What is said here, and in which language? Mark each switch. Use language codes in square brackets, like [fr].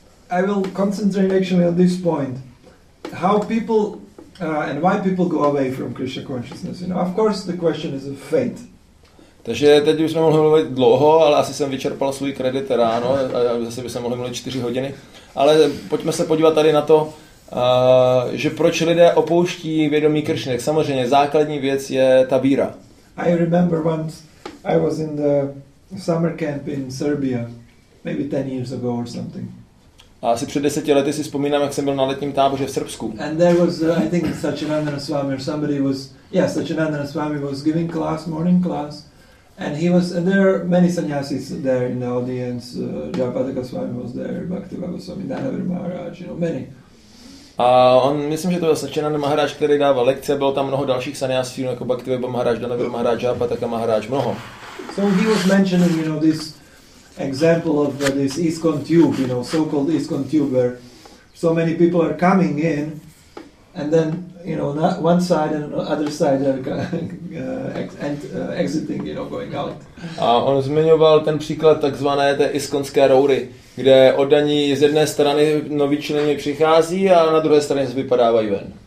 [en] I will concentrate actually on this point. How people and why people go away from Krishna consciousness. You know, of course the question is of fate. [cs] Takže teď už jsme mohli mluvit dlouho, ale asi jsem vyčerpal svůj kredit ráno a zase by se mohli mluvit 4 hodiny. Ale pojďme se podívat tady na to, že proč lidé opouští vědomí Krishny. Samozřejmě základní věc je ta víra. [en] I remember once I was in the summer camp in Serbia, maybe 10 years ago or something. [cs] A asi před 10 lety si vzpomínám, jak jsem byl na letním táboře v Srbsku. [en] And there was I think Sachinandana Swami or somebody was yeah, Sachinandana Swami was giving class, morning class. And he was and there are many sannyasis there in the audience. Japataka Swami was there, Bhaktivinoda Swami, Dhanavir Maharaj, you know, many. [cs] A on, myslím, že to byl Sachinandana Maharaj, který dával lekce, bylo tam mnoho dalších sannyasí, jako Bhaktivinoda Maharaj, Dhanavir Maharaj, Japataka Maharaj, mnoho. [en] So he was mentioning, you know, this example of this ISKCON tube, you know, so-called ISKCON tube, where so many people are coming in, and then, you know, not one side and the other side are exiting, you know, going out. [cs] A on zmiňoval ten příklad takzvané té ISKCONské roury, kde oddaní z jedné strany noví členy přichází a na druhé straně se vypadávají ven.